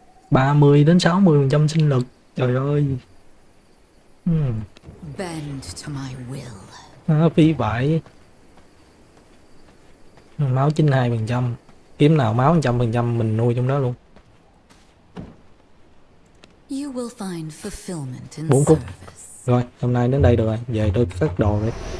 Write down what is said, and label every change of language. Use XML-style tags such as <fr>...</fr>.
<vi>30 đến 60% sinh lực. Trời ơi.</vi> <en>Bend to my will.</en> <vi>À, phí vậy. Máu 92%. Kiếm nào máu 100% mình nuôi trong đó luôn.</vi> <en>You will find fulfillment in</en> <vi>4 phút.</vi> <en>service.</en> <vi>Rồi, hôm nay đến đây được rồi. Về tôi cất đồ đi.</vi>